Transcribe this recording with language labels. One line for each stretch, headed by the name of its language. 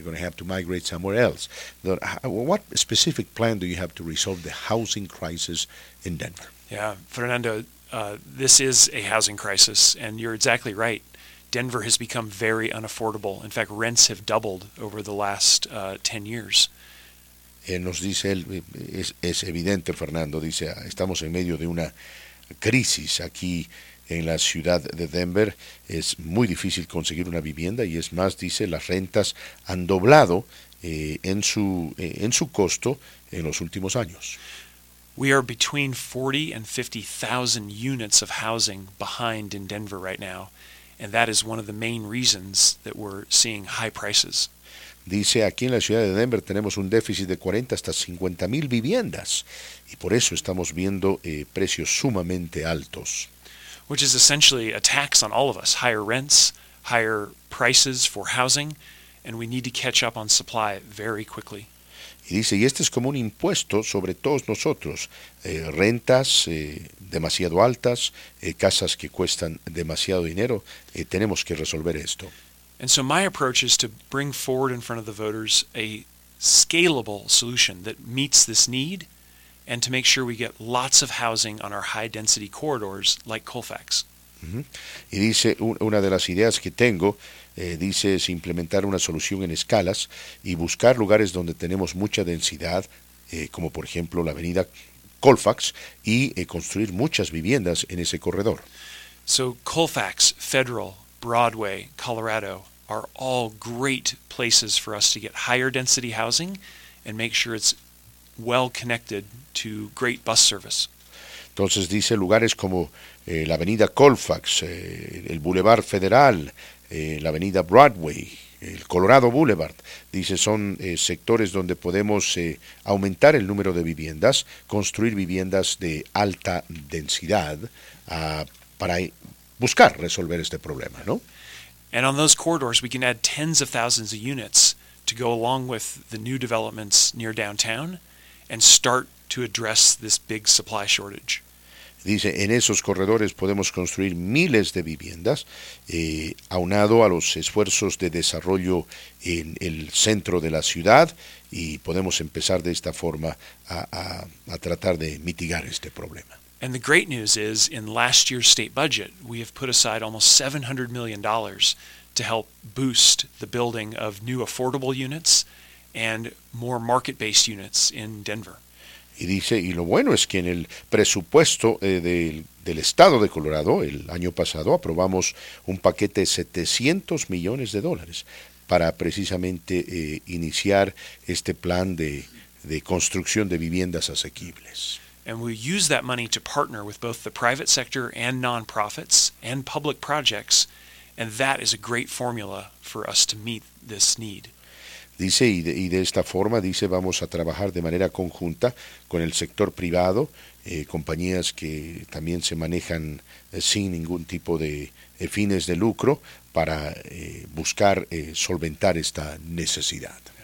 English: They're going to have to migrate somewhere else. What specific plan do you have to resolve the housing crisis in Denver? Yeah, Fernando, this is a housing crisis, and you're exactly right. Denver has become very unaffordable. In fact, rents have doubled over the last 10 years.
Spanish: Nos dice él, es evidente, Fernando, dice, estamos en medio de una crisis aquí en la ciudad de Denver. Es muy difícil conseguir una vivienda y es más, dice, las rentas han doblado en su costo en los últimos años.
English: We are between 40 and 50,000 units of housing behind in Denver right now. And that is one of the main reasons that we're seeing high prices.
Spanish: Dice, aquí en la ciudad de Denver tenemos un déficit de 40 hasta 50 mil viviendas. Y por eso estamos viendo precios sumamente altos.
English: Which is essentially a tax on all of us. Higher rents, higher prices for housing. And we need to catch up on supply very quickly.
Spanish: Y dice, y este es como un impuesto sobre todos nosotros, rentas demasiado altas, casas que cuestan demasiado dinero, tenemos que resolver esto.
English: And so my approach is to bring forward in front of the voters a scalable solution that meets this need and to make sure we get lots of housing on our high density corridors like Colfax. Uh-huh.
Spanish: Y dice, una de las ideas que tengo, dice, es implementar una solución en escalas y buscar lugares donde tenemos mucha densidad, como por ejemplo la avenida Colfax, y construir muchas viviendas en ese corredor.
English: So Colfax, Federal, Broadway, Colorado are all great places for us to get higher density housing and make sure it's well connected to great bus service.
Spanish: Entonces dice, lugares como la avenida Colfax, el Boulevard Federal, la avenida Broadway, el Colorado Boulevard, dice, son sectores donde podemos aumentar el número de viviendas, construir viviendas de alta densidad para buscar resolver este problema, ¿no?
English: And on those corridors we can add tens of thousands of units to go along with the new developments near downtown and start to address this big supply shortage.
Spanish: Dice, en esos corredores podemos construir miles de viviendas, aunado a los esfuerzos de desarrollo en el centro de la ciudad, y podemos empezar de esta forma a tratar de mitigar este problema.
English: And the great news is, in last year's state budget, we have put aside almost $700 million to help boost the building of new affordable units and more market-based units in Denver.
Spanish: Y dice, y lo bueno es que en el presupuesto del estado de Colorado, el año pasado, aprobamos un paquete de $700 millones para precisamente iniciar este plan de construcción de viviendas asequibles.
English: And we use that money to partner with both the private sector and nonprofits and public projects, and that is a great formula for us to meet this need.
Spanish: Dice, y de esta forma, dice, vamos a trabajar de manera conjunta con el sector privado, compañías que también se manejan sin ningún tipo de fines de lucro para buscar solventar esta necesidad.